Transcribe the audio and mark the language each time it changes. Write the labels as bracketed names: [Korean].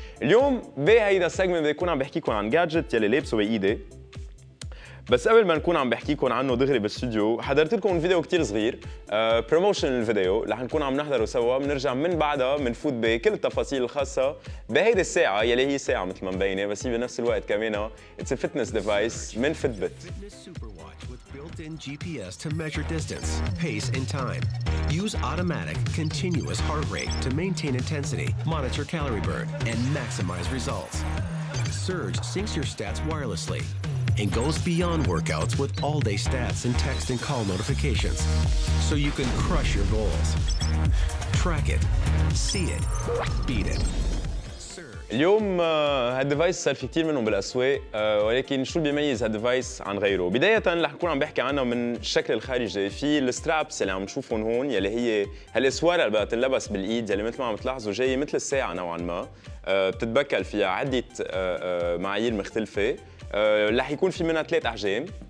[Arabic] اليوم بهيدا السيجمنت بكون عم بحكيكم عن جادجت يلي لابسه بايدي، بس قبل ما نكون عم بحكيكم عنه دغري بالستوديو حضرت لكم فيديو كتير صغير بروموشن الفيديو اللي حنكون عم نحضره سوا، بنرجع من بعدها بنفوت بكل التفاصيل الخاصه بهيدي الساعه يلي هي ساعه مثل ما مبينه بس هي بنفس الوقت كمان [English] it's fitness device [Arabic] من فيتبيت. [English] Built-in GPS to measure distance, pace, and time. Use automatic, continuous heart rate to maintain intensity, monitor calorie burn, and maximize results. Surge syncs your stats wirelessly and goes beyond workouts with all-day stats and text and call notifications so you can crush your goals. Track it, see it, beat it. [Arabic] اليوم هالديفايس صار في كثير منهم بالاسواق، ولكن شو بيميز هالديفايس عن غيره؟ بداية رح نكون عم بحكي عنه من الشكل الخارجي، في الستربس اللي عم نشوفهم هون يلي هي هالاسوار اللي بقى تنلبس بالايد يلي مثل ما عم تلاحظوا جاي مثل الساعة نوعا ما، بتتبكل فيها عدة معايير مختلفة، رح يكون في منها ثلاث احجام.